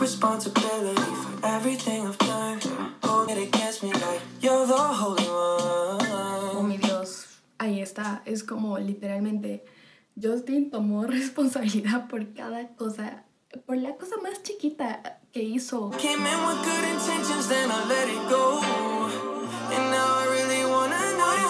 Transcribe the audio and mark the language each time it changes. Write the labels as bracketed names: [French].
[English] Responsibility for everything I've done. Hold it against me like you're the holy one. [Spanish] Oh mi Dios, ahí está. Es como literalmente Justin tomó responsabilidad por cada cosa, por la cosa más chiquita que hizo. [English] Came in with good intentions, then I let it go. And now I really wanna know.